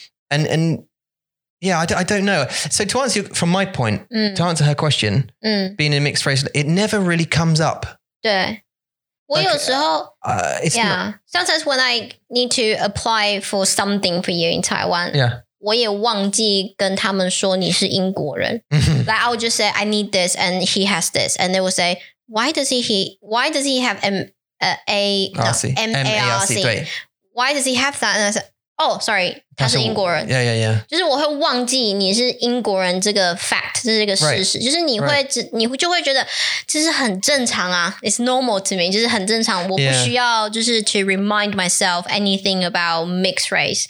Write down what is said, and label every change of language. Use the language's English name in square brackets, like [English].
[English] I don't know. So to answer you, from my point, to answer her question, being in a mixed race, it never really comes up. [Chinese] 我有时候, [English] sometimes when I need to apply for something for you in Taiwan. Yeah. [Chinese] 我也忘记跟他们说你是英国人. [English] Like I'll just say I need this and he has this, and they will say why does he have MARC? Why does he have that? And I said, oh, sorry, [Chinese] 他是英国人. [English] Yeah, yeah, yeah. [Chinese] 就是我会忘记你是英国人这个 fact, 这是一个事实. [English] Right. [Chinese] 就是你会觉得这是很正常啊. [English] It's normal to me. [Chinese] 就是很正常. 我不需要就是 [English] to remind myself anything about mixed race.